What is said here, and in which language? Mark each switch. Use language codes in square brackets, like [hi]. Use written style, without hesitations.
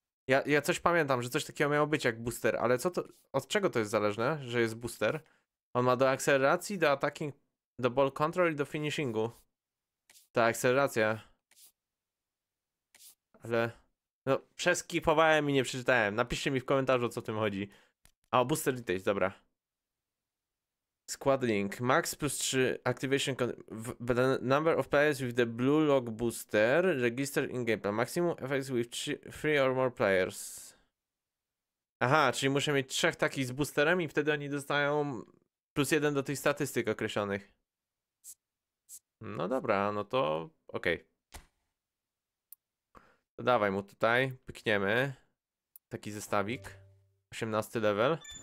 [pl] Ja coś pamiętam, że coś takiego miało być jak booster, ale co to, od czego to jest zależne, że jest booster? On ma do akceleracji, do attacking, do ball control i do finishingu. Ta akceleracja. Ale... No, przeskipowałem i nie przeczytałem. Napiszcie mi w komentarzu, o co tym chodzi. A, o booster details, dobra. Squad link. [en] Max plus 3 activation the number of players with the blue log booster registered in game plan. Maximum effects with 3 or more players. [pl] Aha, czyli muszę mieć 3 takich z boosterem i wtedy oni dostają plus 1 do tych statystyk określonych. No dobra, no to okej. To dawaj mu tutaj, pykniemy. Taki zestawik. 18 level.